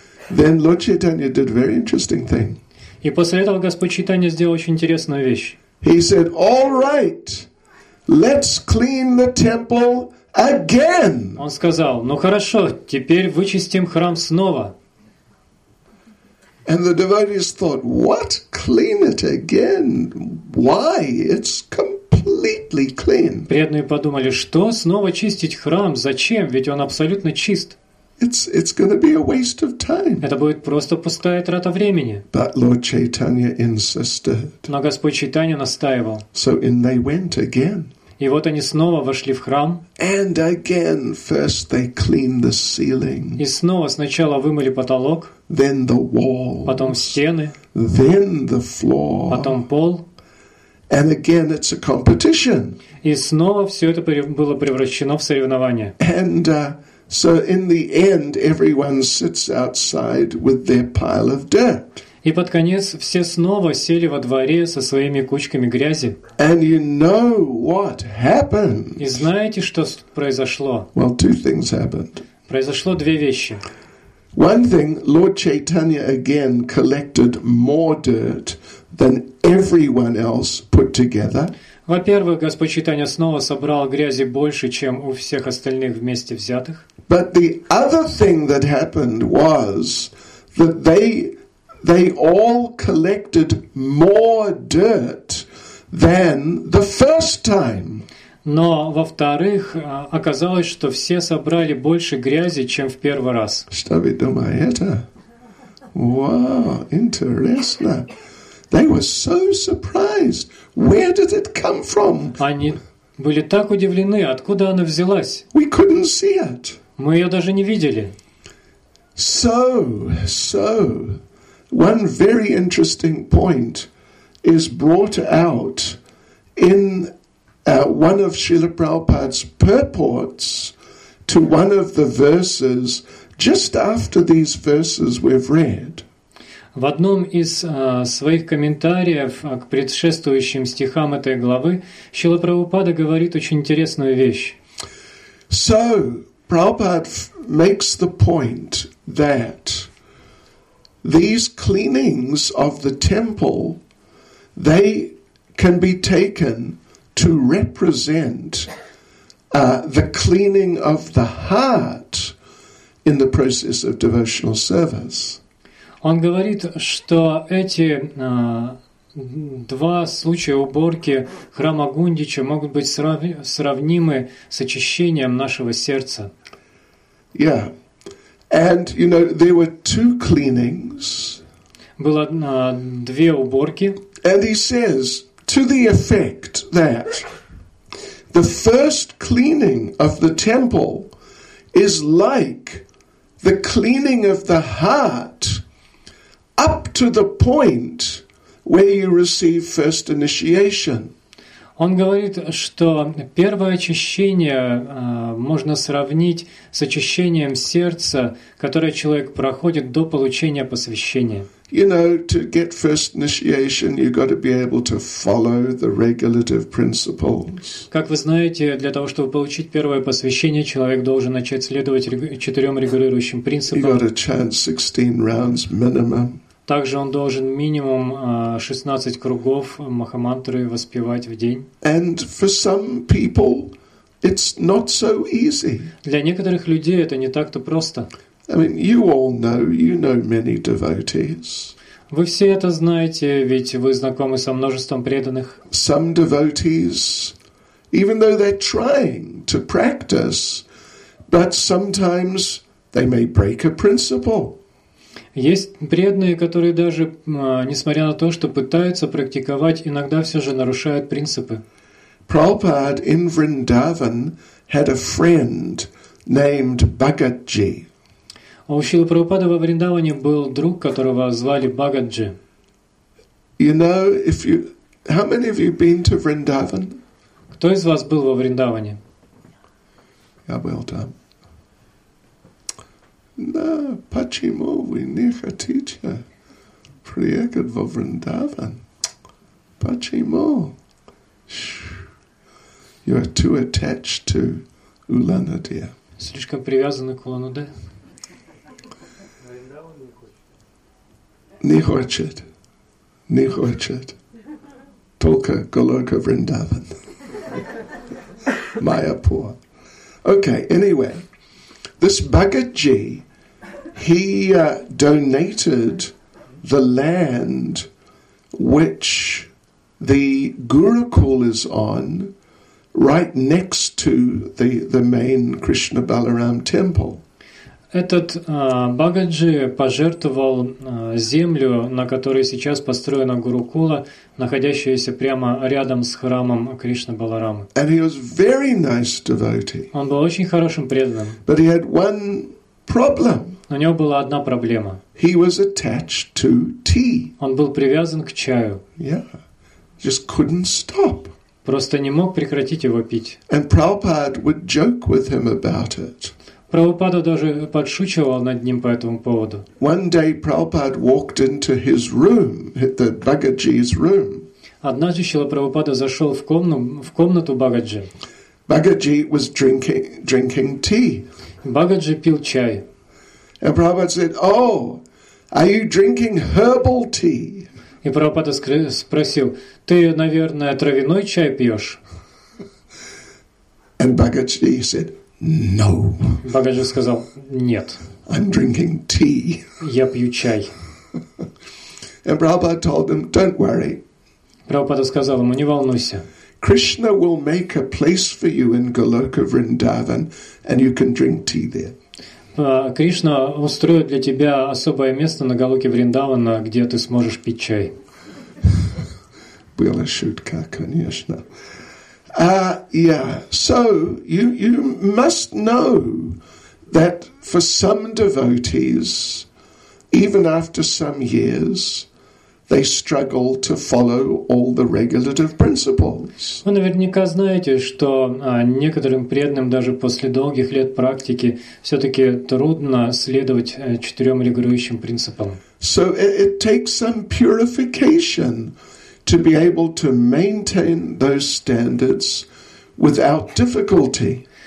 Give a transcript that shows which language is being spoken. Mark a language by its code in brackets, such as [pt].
[en] Then Lord Chaitanya did a very interesting thing. [ru] И после этого Господь Чайтанья сделал очень интересную вещь. [en] He said, "All right, let's clean the temple again." [ru] Он сказал: "Ну хорошо, теперь вычистим храм снова." [en] And the devotees thought, "What? Clean it again? Why? It's completely clean." [ru] Преданные подумали: "Что? Снова чистить храм? Зачем? Ведь он абсолютно чист." [en] It's going to be a waste of time. [ru] Это будет просто пустая трата времени. [en] But Lord Chaitanya insisted. [ru] Но Господь Чайтанья настаивал. [en] So in they went again. [ru] И вот они снова вошли в храм. [en] And again, first they cleaned the ceiling. [ru] И снова сначала вымыли потолок. [en] Then the walls. [ru] Потом стены. [en] Then the floor. [ru] Потом пол. [en] And again, it's a competition. [ru] И снова все это было превращено в соревнование. [en] And so in the end, everyone sits outside with their pile of dirt. [ru] И под конец все снова сели во дворе со своими кучками грязи. [en] And you know what happened? [ru] И знаете, что произошло? [en] Well, two things happened. [ru] Произошло две вещи. [en] One thing, Lord Chaitanya again collected more dirt than everyone else put together. [ru] Во-первых, Господь Чайтанья снова собрал грязи больше, чем у всех остальных вместе взятых. [en] But the other thing that happened was that they all collected more dirt than the first time. [ru] Но, во-вторых, оказалось, что все собрали больше грязи, чем в первый раз. Что вы думаете? Вау, интересно. [en] They were so surprised. Where did it come from? [ru] Они были так удивлены, откуда она взялась? [en] We couldn't see it. [ru] Мы ее даже не видели. [en] So, one very interesting point is brought out in one of Srila Prabhupada's purports to one of the verses just after these verses we've read. [ru] В одном из своих комментариев к предшествующим стихам этой главы Шрила Прабхупада говорит очень интересную вещь. [en] So, Prabhupada makes the point that these cleanings of the temple, they can be taken to represent the cleaning of the heart in the process of devotional service. [ru] Он говорит, что эти два случая уборки храма Гундича могут быть сравнимы с очищением нашего сердца. [en] Yeah. And, you know, there were two cleanings. [ru] Было две уборки. [en] And he says, to the effect that the first cleaning of the temple is like the cleaning of the heart up to the point where you receive first initiation. [ru] Он говорит, что первое очищение можно сравнить с очищением сердца, которое человек проходит до получения посвящения. [en] You know, to get first initiation, you've got to be able to follow the regulative principles. [ru] Как вы знаете, для того, чтобы получить первое посвящение, человек должен начать следовать четырем регулирующим принципам. [en] You've got to chant 16 rounds minimum. [ru] Также он должен минимум 16 кругов махамантры воспевать в день. [en] And for some people, it's not so easy. [ru] Для некоторых людей это не так-то просто. [en] I mean, you all know, many devotees. [ru] Вы все это знаете, ведь вы знакомы со множеством преданных. [en] Some devotees, even though they're trying to practice, but sometimes they may break a principle. [ru] Есть преданные, которые даже, несмотря на то, что пытаются практиковать, иногда все же нарушают принципы. [en] Prabhupada in Vrindavan had a friend named Bhagatji. [ru] У Шрилы Прабхупады во Вриндаване был друг, которого звали Бхагатджи. [en] You know, if you, how many of you been to Vrindavan? [ru] Кто из вас был во Вриндаване? Я был там. Но почему вы не хотите приехать во Вриндаван? Почему? [en] You are too attached to Улан-Удэ. [ru] Слишком привязаны к Улан-Удэ. Не хочет. Только Голока Вриндаван. [en] Майяпур. Okay, anyway. This Bhagatji, he donated the land which the Gurukul is on right next to the main Krishna Balaram temple. [ru] Этот Бхагатджи пожертвовал землю, на которой сейчас построена Гурукула, находящаяся прямо рядом с храмом Кришны Баларамы. [en] And he was very nice devotee. [ru] Он был очень хорошим преданным. [en] But he had one problem. [ru] У него была одна проблема. [en] He was attached to tea. [ru] Он был привязан к чаю. [en] Yeah. Just couldn't stop. [ru] Просто не мог прекратить его пить. [en] And Prabhupada would joke with him about it. [ru] Прабхупада даже подшучивал над ним по этому поводу. [en] One day Prabhupada walked into his room, the Bhagatji's room. [ru] Однажды Шрила Прабхупада зашел в комнату Бхагатджи. [en] Bhagatji was drinking tea. [ru] Бхагатджи пил чай. [en] And Prabhupada said, "Oh, are you drinking herbal tea?" [ru] И Прабхупада спросил: "Ты, наверное, травяной чай пьешь?" [en] And Bhagatji said, "No." [ru] Бхагатджи сказал: "Нет." [en] "I'm drinking tea." [ru] Я пью чай. [en] And Prabhupada told him, "Don't worry." [ru] Прабхупада сказал ему: "Не волнуйся. [en] Krishna will make a place for you in Goloka Vrindavan, and you can drink tea there." [ru] Кришна устроит для тебя особое место на Голоке Вриндавана, где ты сможешь пить чай. Была шутка, конечно. [en] Yeah. So you must know that for some devotees, even after some years, they struggle to follow all the regulative principles. [ru] Вы наверняка знаете, что некоторым преданным даже после долгих лет практики все-таки трудно следовать четырем регулирующим принципам. [en] So it takes some purification to be able to maintain those standards without difficulty.